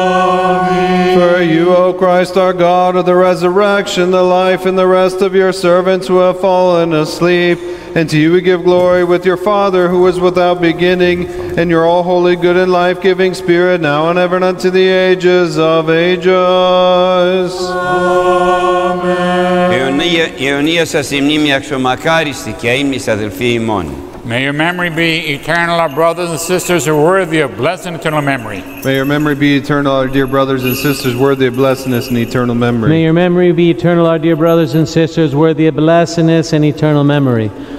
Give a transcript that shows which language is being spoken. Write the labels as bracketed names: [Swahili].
[English] For you, O Christ, our God, are the resurrection, the life, and the rest of your servants who have fallen asleep. And to you we give glory with your Father, who is without beginning, and your all-holy, good, and life-giving Spirit, now and ever and unto the ages of ages. Amen. [Greek] Αιωνία σας η μνήμη αξιωμακάριστη και αείμνης αδελφοί ημών. [English] May your memory be eternal, our brothers and sisters, who are worthy of blessed and eternal memory. May your memory be eternal, our dear brothers and sisters, worthy of blessedness and eternal memory. May your memory be eternal, our dear brothers and sisters, worthy of blessedness and eternal memory.